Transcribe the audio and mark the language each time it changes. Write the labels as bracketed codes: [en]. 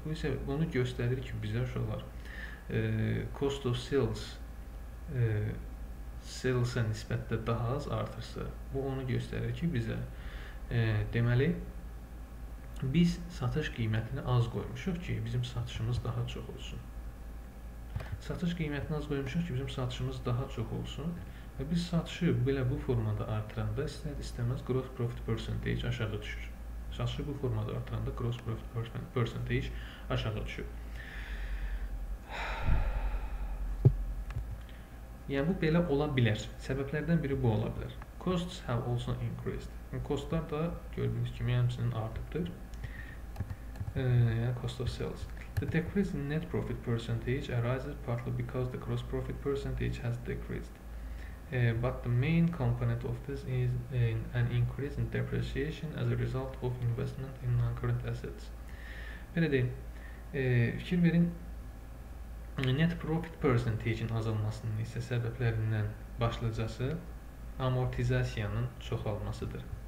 [az] Bu isə onu göstərir ki, bizə uşaqlar, cost of sales sales-ə nisbətdə daha az artırsa, bu onu göstərir ki, bizə deməli, biz satış qiymətini az qoymuşuq ki, bizim satışımız daha çox olsun. Satış qiymətini az qoymuşuq ki, bizim satışımız daha çox olsun. Və biz satışı belə bu formada artıranda istər-istəməz gross profit percentage aşağı düşür. Satışı bu formada artıranda gross profit percentage aşağı düşür. Yəni, bu belə ola bilər. Səbəblərdən biri bu ola bilər. [en] Costs have also increased. [az] Costlar da gördüyünüz kimi həmçinin artıbdır. [en] Cost of sales. The decrease in net profit percentage arises partly because the gross profit percentage has decreased. But the main component of this is an increase in depreciation as a result of investment in non-current assets. [az] Belə deyim, fikir verin, net profit percentage-in azalmasının isə səbəblərindən başlıcası amortizasiyanın çoxalmasıdır.